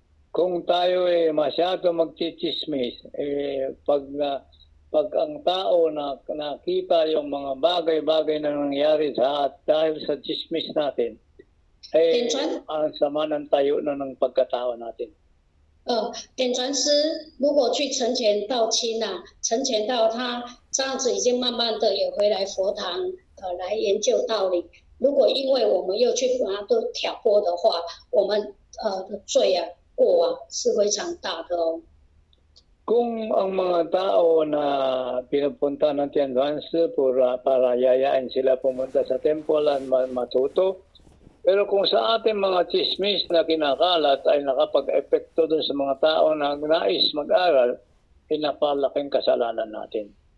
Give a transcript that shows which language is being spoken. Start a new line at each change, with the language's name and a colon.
Filipino: Kung tayo ay masyado magchichismis, pag ang tao na nakita yung mga bagay-bagay na nangyari sa dahil sa chismis natin, ang sama ng tayo na ng pagkatao natin.
Chinese: 点传师如果去成全道亲啊，成全到他这样子已经慢慢的也回来佛堂来研究道理。如果因为我们又去把他都挑拨的话，我们的罪啊。
Filipino: Kung ang mga tao na pinupunta ng Tianzhuangshi para yayain sila pumunta sa temple at matuto, pero kung sa ating mga chismis na kinakalat ay nakapag-epekto dun sa mga tao na nais mag-aral, pinapalaking kasalanan natin.